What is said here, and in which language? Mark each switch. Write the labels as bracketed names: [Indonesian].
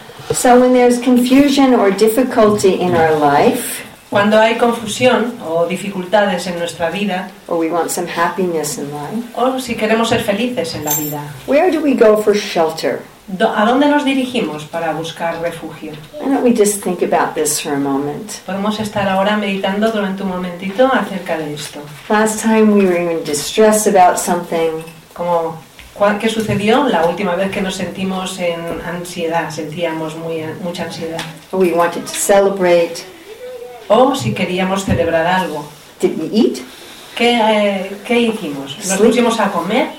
[English] So when there's confusion or difficulty in our life, [Spanish] cuando hay confusión o dificultades en nuestra vida, [English] or we want some happiness in life, [Spanish] o si queremos ser felices en la vida, [English] where do we go for shelter? [Spanish] ¿A dónde nos dirigimos para buscar refugio? [English] Why don't we just think about this for a moment? [Spanish] Podemos estar ahora meditando durante un momentito acerca de esto. [English] Last time we were in distress about something. [Spanish] Como, ¿qué sucedió la última vez que nos sentimos en ansiedad? Sentíamos mucha ansiedad. [English] We wanted to celebrate. [Spanish] O si queríamos celebrar algo. [English] Did we eat? [Spanish] ¿Qué hicimos? ¿Nos pusimos a comer?